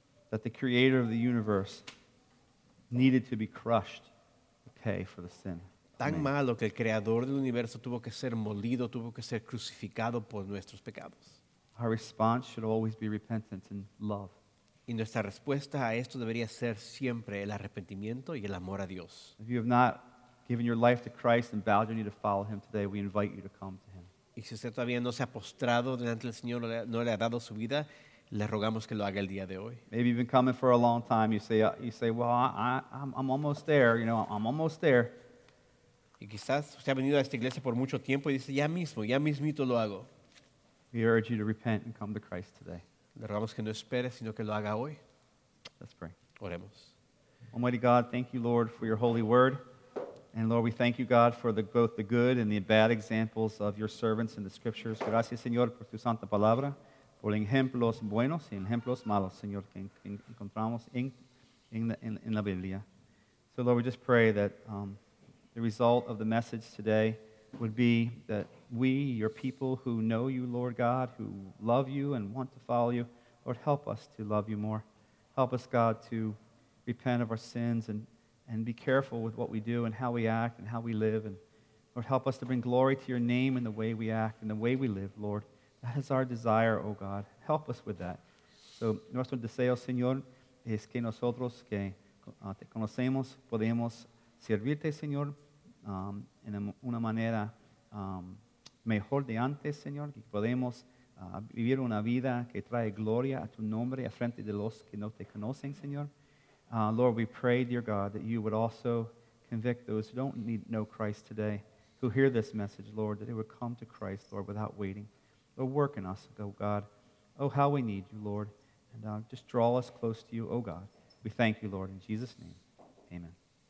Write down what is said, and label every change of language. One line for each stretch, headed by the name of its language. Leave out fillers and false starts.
English: That the creator of the universe needed to be crushed to pay for the sin.
Spanish: Tan malo que el creador del universo tuvo que ser molido, tuvo que ser crucificado por nuestros pecados.
English: Our response should always be repentance and love.
Spanish: Y nuestra respuesta a esto debería ser siempre el arrepentimiento y el amor a Dios.
English: If you have not given your life to Christ and bowed your knee to follow him today, we invite you to come to him.
Spanish: Y si usted todavía no se ha postrado delante del Señor, no le ha dado su vida, le rogamos que lo haga el día de hoy.
English: Maybe you've been coming for a long time. You say, well, I'm almost there. You know, I'm almost there.
Spanish: Y quizás usted ha venido a esta iglesia por mucho tiempo y dice, ya mismito lo hago.
English: We urge you to repent and come to Christ today.
Spanish: Le rogamos que no espere, sino que lo haga hoy.
English: Let's pray.
Spanish: Oremos.
English: Almighty God, thank you, Lord, for your holy word. And Lord, we thank you, God, for both the good and the bad examples of your servants in the scriptures.
Spanish: Gracias, Señor, por tu santa palabra, por ejemplos buenos y ejemplos malos, Señor, que encontramos en la Biblia.
English: So, Lord, we just pray that the result of the message today would be that we, your people who know you, Lord God, who love you and want to follow you, Lord, help us to love you more. Help us, God, to repent of our sins and be careful with what we do and how we act and how we live. And Lord, help us to bring glory to your name in the way we act and the way we live, Lord. That is our desire, oh God. Help us with that.
Spanish: So nuestro deseo, Señor, es que nosotros que te conocemos podemos servirte, Señor, en una manera mejor de antes, Señor, que podemos vivir una vida que trae gloria a tu nombre a frente de los que no te conocen, Señor.
English: Lord, we pray, dear God, that you would also convict those who don't know Christ today who hear this message, Lord, that they would come to Christ, Lord, without waiting. Lord, work in us, oh God. Oh, how we need you, Lord. And just draw us close to you, oh God. We thank you, Lord, in Jesus' name. Amen.